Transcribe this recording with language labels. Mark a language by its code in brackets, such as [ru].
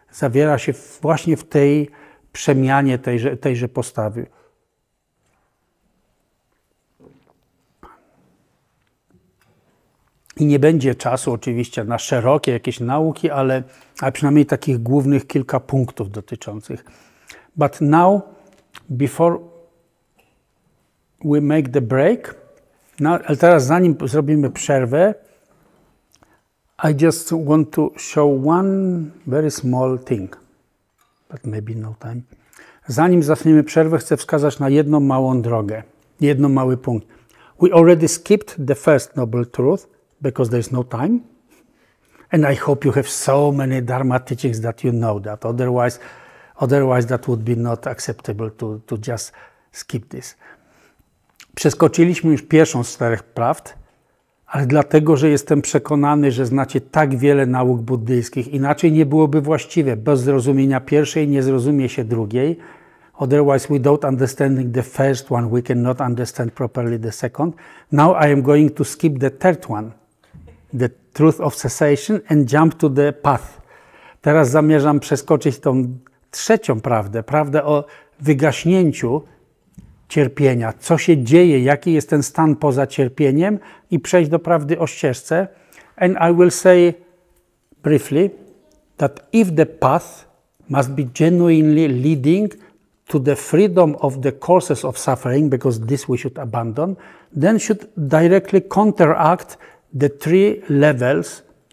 [pl] Zawiera się właśnie w tej przemianie tejże postawy. I nie będzie czasu oczywiście na szerokie jakieś nauki, ale a przynajmniej takich głównych kilka punktów dotyczących. [en] But now, before we make the break, now, [pl] ale teraz zanim zrobimy przerwę, [en] I just want to show one very small thing, but maybe no time. [pl] Zanim zaczniemy przerwę, chcę wskazać na jedną małą drogę, jedno mały punkt. [en] We already skipped the first noble truth, because there is no time. And I hope you have so many Dharma teachings that you know that. Otherwise that would be not acceptable to just skip this. [pl] Przeskoczyliśmy już pierwszą z czterech prawd, ale dlatego, że jestem przekonany, że znacie tak wiele nauk buddyjskich. Inaczej nie byłoby właściwe. Bez zrozumienia pierwszej nie zrozumie się drugiej. [en] Otherwise, without understanding the first one, we cannot understand properly the second. Now I am going to skip the third one, the truth of cessation, and jump to the path. [pl] Teraz zamierzam przeskoczyć tą trzecią prawdę, prawdę o wygaśnięciu cierpienia, co się dzieje, jaki jest ten stan poza cierpieniem i przejść do prawdy o ścieżce. [en] And I will say briefly that if the path must be genuinely leading to the freedom of the causes of suffering, because this we should abandon, then should directly counteract the three levels